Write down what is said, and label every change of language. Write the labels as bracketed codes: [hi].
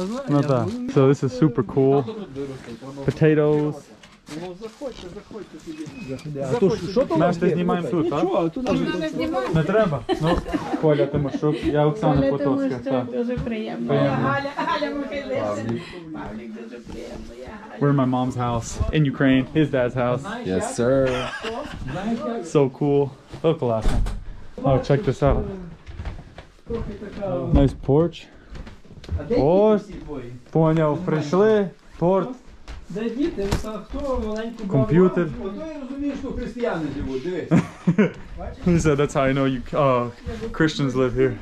[uk] Я знаю. [en] So this is super cool. Potatoes. [uk] Ну, заходьте, тобі. Заходьте. А то що, що там? Нас знімаємо тут, а? Нічого, тут не треба. Ну, Коля Тимошук, я Оксана Потоцька. Коля Тимошук, дуже приємно. Галя Михайлівна. Павлік, дуже приємно. [en] We're in my mom's house in Ukraine, his dad's house. Yes, sir. So cool. Look, класно. Oh, check this out. Nice porch. [uk] Ось, поняв, прийшли. Порт. Де діти, хто маленьку комп'ютер. Бабу? Комп'ютер. Ото я розумію, що християни живуть, дивись. [en] He said, that's how I know you, Christians live here.